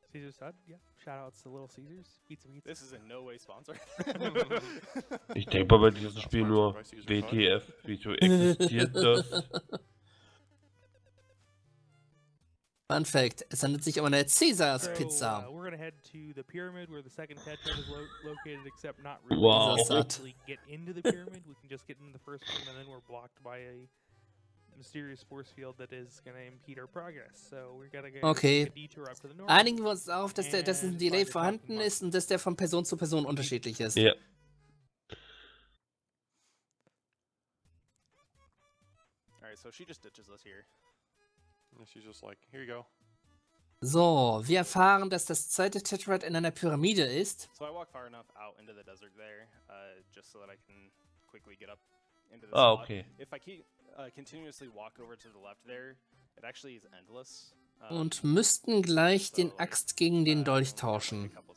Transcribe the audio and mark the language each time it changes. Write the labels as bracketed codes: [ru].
[en] Caesar's Hut, yeah. Shoutouts to Little Caesars. Pizza, pizza. This is in no way sponsored. [de] Ich denke mal bei diesem Spiel nur WTF, wieso existiert das? Fun Fact, es handelt sich um eine Caesars Pizza. [en] So, we're gonna head to the pyramid where the second tetrad is located, except not really. Wow. We can actually get into the pyramid, we can just get into the first one and then we're blocked by a mysterious force field that is gonna impede our progress. So we're gonna get okay. [de] Einigen wir uns auf, dass der dass ein Delay vorhanden ist und dass der von Person zu Person unterschiedlich ist. Ja. [en] Alright, so she just ditches us here. And she's just like, here you go. [de] So, wir erfahren, dass das zweite Tetrad in einer Pyramide ist. [en] So I walk far enough out into the desert there, just so that I can quickly get up into the spot. Okay. If I keep continuously walk over to the left there, it actually is endless. [de] Und müssten gleich so den Axt gegen den Dolch tauschen.